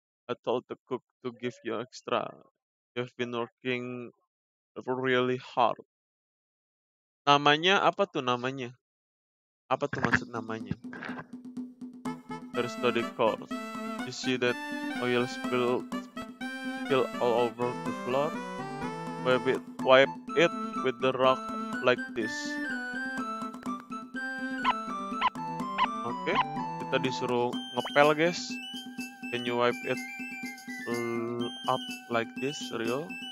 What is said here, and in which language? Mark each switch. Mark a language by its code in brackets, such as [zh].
[en] I told the cook to give you extra. You've been working really hard. [id] Namanya apa tuh namanya? Apa tuh maksud namanya? [en] Their study course. You see that oil spill all over the floor? Wipe it with the rock like this. Okay, [id] kita disuruh ngepel, [en] guys. Can you wipe it up like this, Rio?